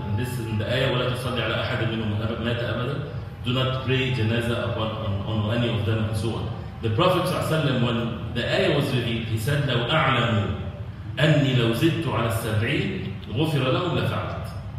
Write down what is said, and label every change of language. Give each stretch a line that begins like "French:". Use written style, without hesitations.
English: And this is in the ayah,
Arabic: وَلَا تُصَلِّ عَلَىٰ أَحَدٍ مِنْهُمْ مَاتَ أَبَدًا.
English: Do not pray janazah upon on any of them, and so on. The Prophet ﷺ, when the ayah was revealed, he said,
Arabic: لَوْ أَعْلَمُ أَنِّي لَوْ زِدْتُ عَلَىٰ السَّبْعِينَ غُفِرَ لَهُمْ لَفَعَلْتُ.